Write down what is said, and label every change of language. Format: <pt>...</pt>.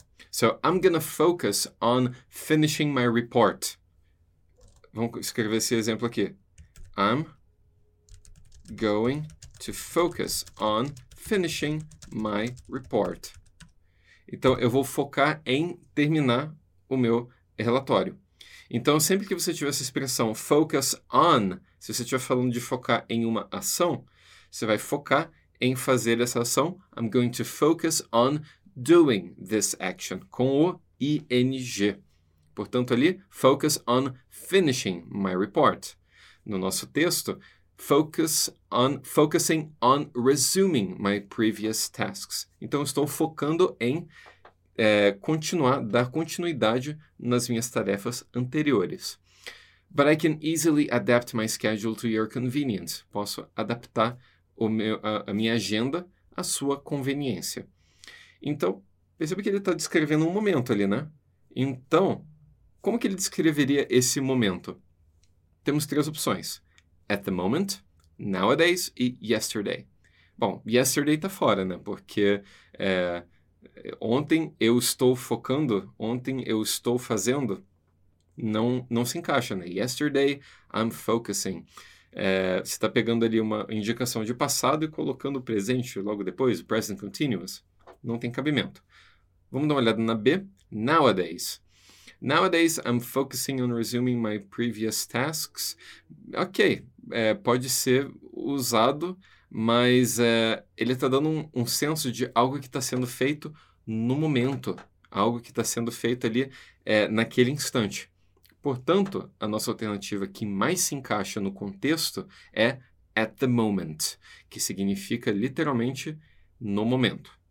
<en>So, I'm gonna focus on finishing my report.</en> <pt>Vamos escrever esse exemplo aqui.</pt> <en>I'm going to focus on finishing my report.</en> <pt>Então, eu vou focar em terminar o meu relatório. Então, sempre que você tiver essa expressão</pt> <en>focus on,</en> <pt>se você estiver falando de focar em uma ação, você vai focar em fazer essa ação.</pt> <en>I'm going to focus on doing this action,</en> <pt>com o</pt> <en>ing.</en> <pt>Portanto, ali,</pt> <en>focus on finishing my report.</en> <pt>No nosso texto,</pt> <en>focusing on resuming my previous tasks.</en> <pt>Então, estou focando em continuar, dar continuidade nas minhas tarefas anteriores.</pt> <en>But I can easily adapt my schedule to your convenience.</en> <pt>Posso adaptar a minha agenda à sua conveniência. Então, perceba que ele está descrevendo um momento ali, né? Então, como que ele descreveria esse momento? Temos três opções:</pt> <en>at the moment,</en> <pt>nowadays e yesterday. Bom, yesterday tá fora, né? Porque ontem eu estou focando, ontem eu estou fazendo, não se encaixa, né?</pt> <en>Yesterday I'm focusing.</en> <pt>Você está pegando ali uma indicação de passado e colocando o presente logo depois,</pt> <en>present continuous.</en> <pt>Não tem cabimento. Vamos dar uma olhada na B. Nowadays.</pt> <en>Nowadays I'm focusing on resuming my previous tasks.</en> <pt>Ok, pode ser usado. Mas ele está dando um senso de algo que está sendo feito no momento, algo que está sendo feito ali naquele instante. Portanto, a nossa alternativa que mais se encaixa no contexto é</pt> <en>at the moment,</en> <pt>que significa literalmente no momento.</pt>